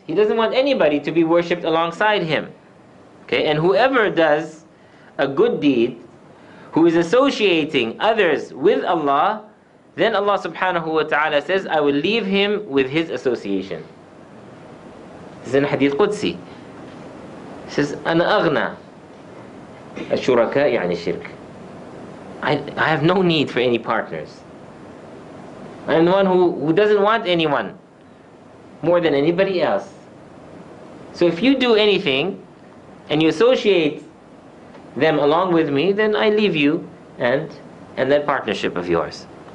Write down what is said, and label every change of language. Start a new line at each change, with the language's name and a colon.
English: He doesn't want anybody to be worshipped alongside Him. Okay, and whoever does a good deed, who is associating others with Allah, then Allah subhanahu wa ta'ala says, I will leave him with his association. This is in Hadith Qudsi. It says,
Arabic: أنا أغنى الشركاء يعني الشرك.
English: I have no need for any partners. I'm the one who doesn't want anyone more than anybody else. So if you do anything and you associate them along with me, then I leave you and that partnership of yours.